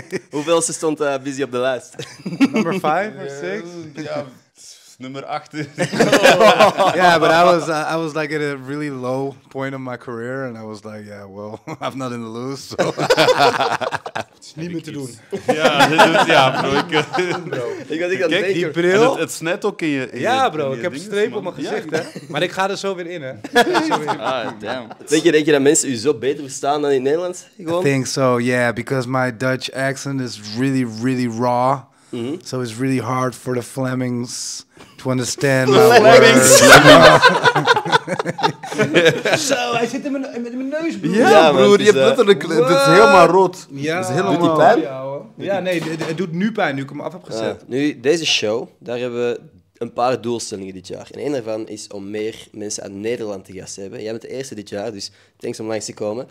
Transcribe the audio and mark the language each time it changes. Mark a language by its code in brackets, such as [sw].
[nl] Hoeveel ze stond Busy op de lijst? [en] Number 5 or 6? [nl] Nummer 8. [en] Yeah, but I was like at a really low point of my career. And I was like, yeah, well, I've nothing to lose. So. [nl] Niet meer te doen. Ja, bro. Kijk, die bril. Het snijdt ook in je... Ja, bro. Ik heb een streep op mijn gezicht, hè. Maar ik ga er zo weer in, hè. Denk je dat mensen u zo beter verstaan dan in Nederland? [en] I think so, yeah. Because my Dutch accent is really, really raw. Mm-hmm. So it's really hard for the Flemings to understand my words. Flemings! [nl] Zo, hij zit in mijn neus, bro. Ja, ja bro, je hebt letterlijk... Het is helemaal rood. Ja. Is helemaal... Doet die pijn? Ja, nee, het doet nu pijn, nu ik hem af heb gezet. Nu, deze show, daar hebben we een paar doelstellingen dit jaar. En een daarvan is om meer mensen uit Nederland te gast te hebben. Jij bent de eerste dit jaar, dus thanks om langs te komen.